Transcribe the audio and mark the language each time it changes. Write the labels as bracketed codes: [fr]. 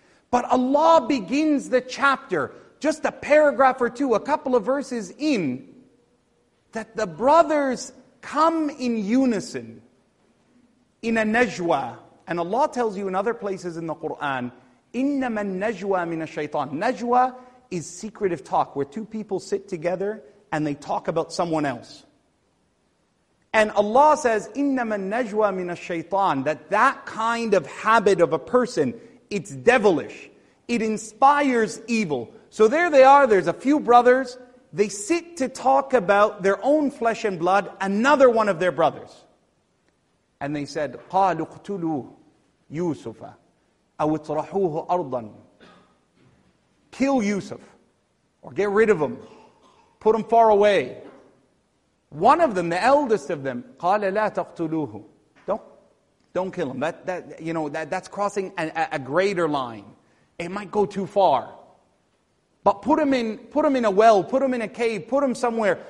[en] But Allah begins the chapter, just a paragraph or two, a couple of verses in, that the brothers come in unison, in a najwa. And Allah tells you in other places in the Quran, [ar] إِنَّمَا النَّجْوَى مِنَ الشَّيْطَانِ. [en] Najwa is secretive talk, where two people sit together and they talk about someone else. And Allah says, [ar] إِنَّمَا النَّجْوَى مِنَ الشَّيْطَانِ. [en] That kind of habit of a person, it's devilish. It inspires evil. So there they are, there's a few brothers. They sit to talk about their own flesh and blood, another one of their brothers. And they said, [ar] قَالُوا اقْتُلُوا يُوسُفَ أَوْ اطْرَحُوهُ أَرْضًا. [en] Kill Yusuf, or get rid of him, put him far away. One of them, the eldest of them, [ar] قَالَ لَا تَقْتُلُوهُ. [en] Don't kill him. That's crossing a greater line. It might go too far. But put him in a well, put him in a cave, put him somewhere.